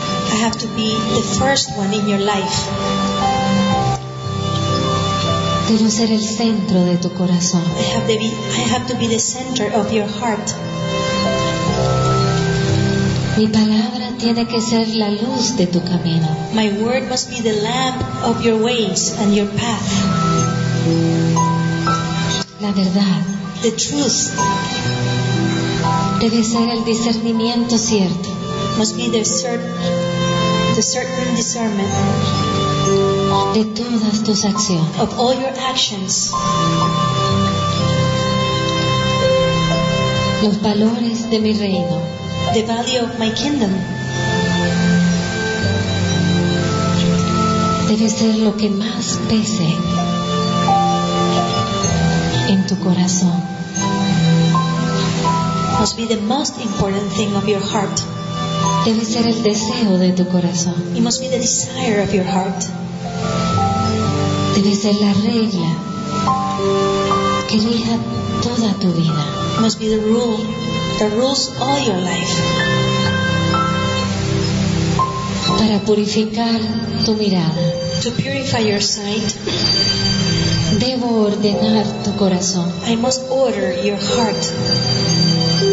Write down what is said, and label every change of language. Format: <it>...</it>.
<en>I have to be the first one in your life.</en> <es>Debo ser el centro de tu corazón.</es> <en>I have to be the center of your heart.</en> <es>Mi palabra tiene que ser la luz de tu camino.</es> <en>My word must be the lamp of your ways and your path.</en> <es>La verdad.</es> <en>The truth.</en> <es>Debe ser el discernimiento cierto.</es> <en>Must be the certain discernment.</en> <es>De todas tus acciones.</es> <en>Of all your actions.</en> <es>Los valores de mi reino.</es> <en>The value of my kingdom.</en> <es>Debe ser lo que más pese en tu corazón.</es> <en>Must be the most important thing of your heart.</en> <es>Debe ser el deseo de tu corazón.</es> <en>It must be the desire of your heart.</en> <es>Debe ser la regla que rija toda tu vida.</es> <en>It must be the rule that rules all your life.</en> <es>Para purificar tu mirada,</es> <en>to purify your sight,</en> <es>debo ordenar tu corazón.</es> <en>I must order your heart.</en>